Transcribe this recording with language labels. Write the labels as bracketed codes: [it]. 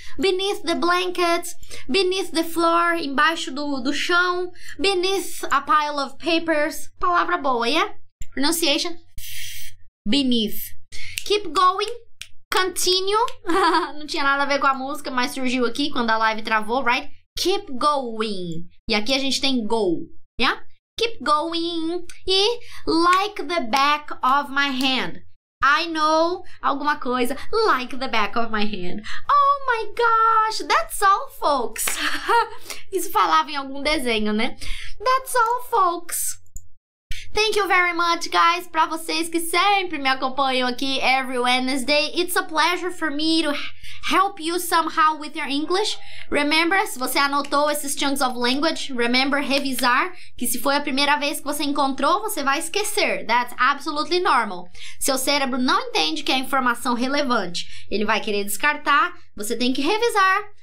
[en] Beneath the blankets. Beneath the floor. [pt] Embaixo do chão. [en] Beneath a pile of papers. [pt] Palavra boa, [en] yeah? Pronunciation. Beneath. Keep going. [pt] Continue, não tinha nada a ver com a música, mas surgiu aqui quando a live travou, right? Keep going, e aqui a gente tem go, yeah? [en] Keep going, e like the back of my hand. I know alguma coisa, like the back of my hand. Oh my gosh, that's all, folks. [pt] Isso falava em algum desenho, né? [en] That's all, folks. Thank you very much, guys, [pt] pra vocês que sempre me acompanham aqui [en] every Wednesday. It's a pleasure for me to help you somehow with your English. [pt] Remember, se você anotou esses chunks of language, remember, revisar, que se foi a primeira vez que você encontrou, você vai esquecer. [en] That's absolutely normal. [pt] Seu cérebro não entende que é informação relevante. Ele vai querer descartar, você tem que revisar.